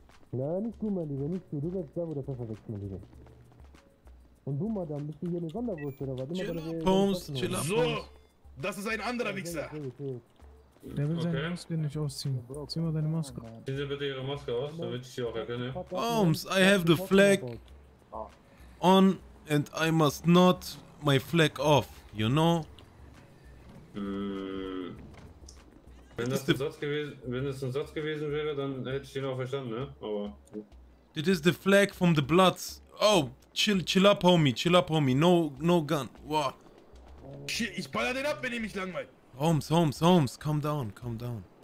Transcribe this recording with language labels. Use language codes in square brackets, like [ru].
[de] Nein, nicht du, mein Lieber, nicht du. Du bist da, wo der Pfeffer wächst, mein Lieber. Und du, Madame, bist du hier eine Sonderwurst oder was? [en] Chill up, Pons, chill up. [de] So, das ist ein anderer Wichser. Der will seine Maske nicht ausziehen. Zieh mal deine Maske. Ziehen Sie bitte Ihre Maske aus, damit ich Sie auch erkenne. [en] Holmes, I have the flag on and I must not my flag off, you know? [de] Wenn das ein Satz gewesen wäre, dann hätte ich ihn auch verstanden, ne? Aber... [en] This is the flag from the Bloods. Oh, chill up, homie. No gun. Wow. [de] Shit, ich baller den ab, wenn ich mich langweil. [en] Holmes, calm down.